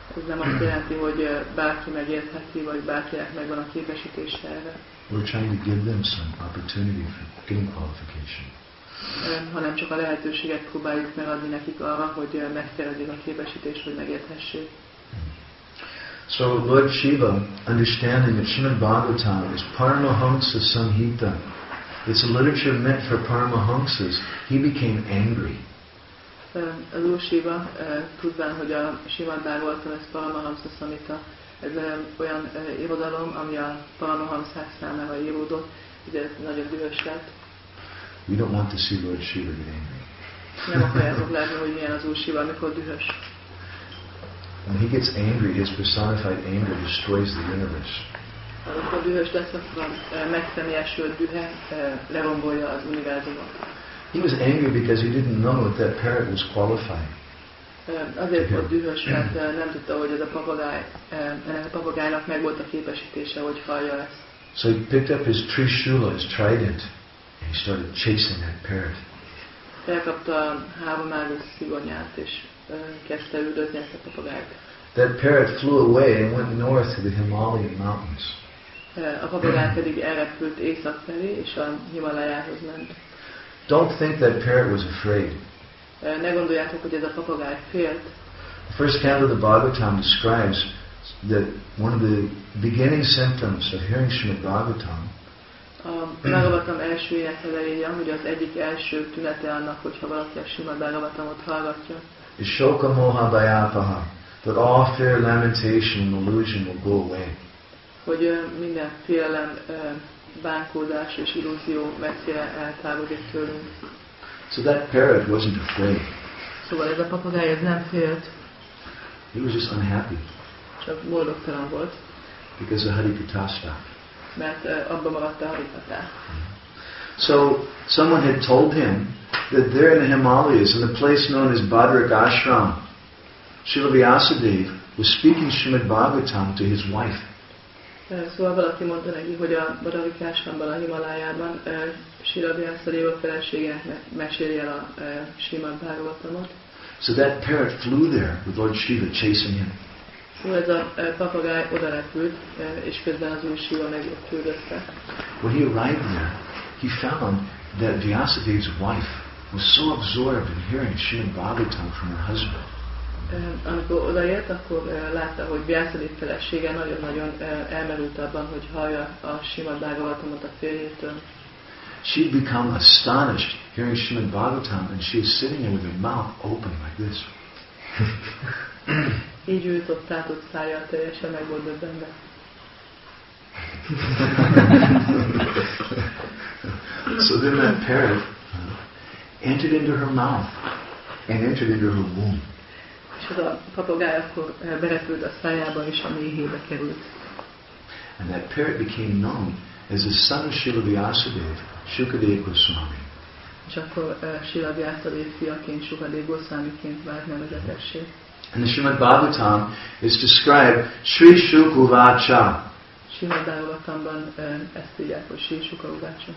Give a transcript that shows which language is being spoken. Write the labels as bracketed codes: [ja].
[hu] Ez nem azt jelenti, hogy bárki megérteti, vagy bárkinek megvan a képesítése erre. [en] We're trying to give them some opportunity for getting qualification. [hu] Hanem csak a lehetőséget próbáljuk megadni nekik arra, hogy megszerezzék a képesítést, hogy megérthessék. [en] So Lord Shiva, understanding that Srimad Bhagavatam is Paramahamsa Samhita, it's a literature meant for Paramahamsas, he became angry. [hu] Az Úr Shiva, tudván, hogy a Srimad Bhagavatam ez Paramahamsa Samhita, ez olyan irodalom, ami a Paramahamsák számára íródott, ugye nagyon dühös lett. [en] We don't want to see Lord Shiva get angry. [hu] Nem akarjátok látni, hogy milyen az Úr Shiva, amikor dühös. [en] When he gets angry, his personified anger destroys the universe. [hu] Amikor dühös lesz, akkor a megszemélyesült dühe lerombolja az univerzumot. [en] He was angry because he didn't know that that parrot was qualified. [hu] Azért volt dühös, mert nem tudta, hogy ez a papagáj, ennek a papagájnak meg volt a képesítése, hogy hallja ezt. [en] So he picked up his trishula, his trident, and he started chasing that parrot. [hu] Felkapta a három ágú szigonyát, és kezdte üldözni ezt a papagájt. [en] That parrot flew away and went north to the Himalayan mountains. [hu] A papagáj pedig elrepült észak felé, és a Himalájához ment. [en] Don't think that parrot was afraid. [hu] Ne gondoljátok, hogy ez a papagáj félt. [en] The first canto of the Bhagavatam describes that one of the beginning symptoms of hearing Srimad Bhagavatam. [hu] A Bhagavatam első énekelője, hogy az egyik első tünete annak, hogyha valaki a Srimad Bhagavatamot hallgatja. [en] Is [sa] shoka moha bhayapaha, [en] that all fear, lamentation, and illusion will go away. [hu] Hogy minden félelem, bánkódás és illúzió messzire eltávolodik tőlünk. [en] So that parrot wasn't afraid. [hu] Szóval ez a papagáj nem félt. [en] He was just unhappy. [hu] Csak boldogtalan volt. [en] Because of Haripitashta. [hu] Mert abban maradt a Haripatá. [en] So someone had told him that there in the Himalayas, in the place known as Bhadrak Ashram, Srila Vyasadeva was speaking Srimad Bhagavatam to his wife. [hu] Szóval valaki mondta neki, hogy a Bhadrak Ashramban, a Himalájában Srila Vyasadeva feleségének meséli el a Srimad Bhagavatamot. [en] So that parrot flew there with Lord Shiva chasing him. [hu] Szóval ez a papagáj oda repült, és közben az Úr Shiva meg ott küldözte. [en] When he arrived there, he found that Vyasadeva's wife was so absorbed in hearing Srimad Bhagavatam from her husband. [hu] Amikor odaért, akkor látta, hogy Vyasadev felesége nagyon-nagyon elmerült abban, hogy hallja a Srimad Bhagavatamot a férjétől. [en] She'd become astonished hearing Srimad Bhagavatam, and she's sitting there with her mouth open like this. [hu] Így ült ott, tátott szája, teljesen meg volt döbbenve. [en] So then that parrot entered into her mouth and entered into her womb. [hu] És az a papagáj akkor berepült a szájába és a méhébe került. [en] And that parrot became known as the son of Srila Vyasadeva, Shukadeva Goswami. [hu] És akkor Srila Vyasadeva fiaként, Shukadeva Goswamiként vált nevezetessé. [en] And the Srimad Bhagavatam is described Sri Shuka Uvacha. [hu] Srimad Bhagavatamban ezt írják, hogy Sri Shuka Uvacha.